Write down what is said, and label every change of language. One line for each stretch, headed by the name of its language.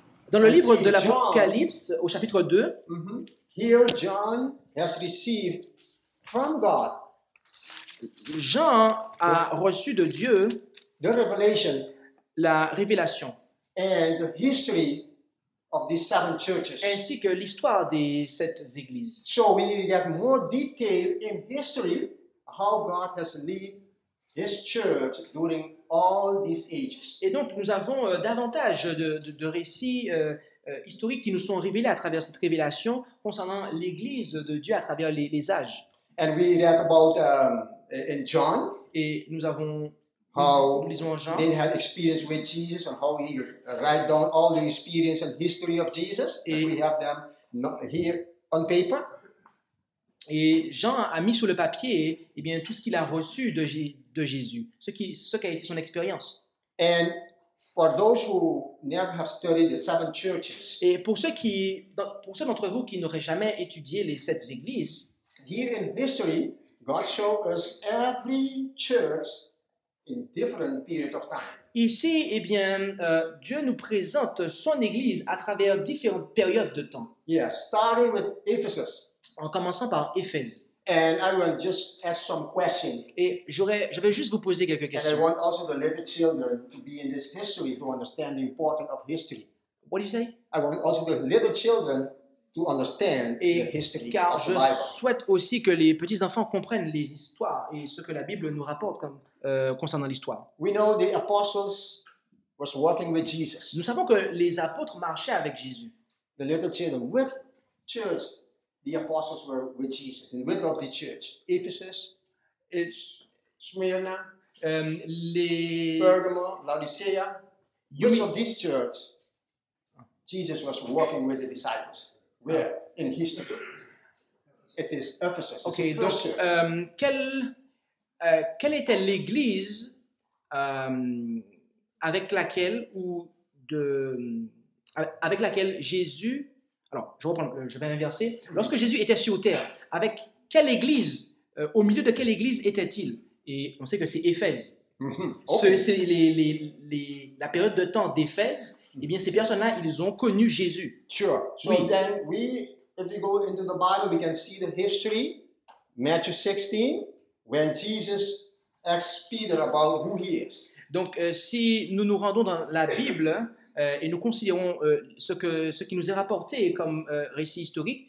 French: dans le livre de l'Apocalypse, au chapitre 2,
English: here John has received from God.
French: Jean a reçu de Dieu
English: the revelation,
French: la révélation,
English: and the history of these seven churches.
French: Ainsi que l'histoire des sept églises.
English: So we get more detail in history how God has led his church during all these ages.
French: Et donc nous avons davantage de récits historiques qui nous sont révélés à travers cette révélation concernant l'église de Dieu à travers les âges.
English: And we read about in John.
French: Et nous avons
English: how
French: Jean,
English: they had experience with Jesus and how he write down all the experience and history of Jesus
French: et
English: and we have them here on paper.
French: Et Jean a mis sur le papier eh bien tout ce qu'il a reçu de Jésus, ce qui a été son expérience.
English: And for those who never have studied the seven churches.
French: Et pour ceux d'entre vous qui n'auraient jamais étudié les sept églises,
English: here in history God shows us every church in different periods of time.
French: Ici, eh bien, Dieu nous présente son Église à travers différentes périodes de temps.
English: Yes, starting with Ephesus.
French: En commençant par Éphèse.
English: And I will just ask some questions.
French: Et je vais juste vous poser quelques questions.
English: And I want also the little children to be in this history to understand the importance of history. What do you say? I want also the little children to understand
French: et
English: the history
French: car
English: of
French: je
English: the Bible.
French: Souhaite aussi que les petits enfants comprennent les histoires et ce que la Bible nous rapporte comme concernant l'histoire.
English: We know the apostles was walking with Jesus.
French: Nous savons que les apôtres marchaient avec Jésus.
English: The little children with church. The apostles were with Jesus in the middle of the church. Ephesus, Smyrna, Pergamum, Laodicea. Which of these churches Jesus was walking with the disciples? Where in history? It is Ephesus. It's okay, the first
French: donc, quelle était l'église avec laquelle ou de avec laquelle Jésus alors, je reprends, je vais inverser. Lorsque Jésus était sur terre, avec quelle église, au milieu de quelle église était-il? Et on sait que c'est Éphèse.
English: Okay.
French: C'est la période de temps d'Éphèse. Eh bien, ces personnes-là, ils ont connu Jésus.
English: Sure. So
French: oui.
English: Then we, if we go into the Bible, we can see the history. Matthew 16, when Jesus asked Peter about who he is.
French: Donc, si nous nous rendons dans la Bible... et nous considérons ce qui nous est rapporté comme récit historique.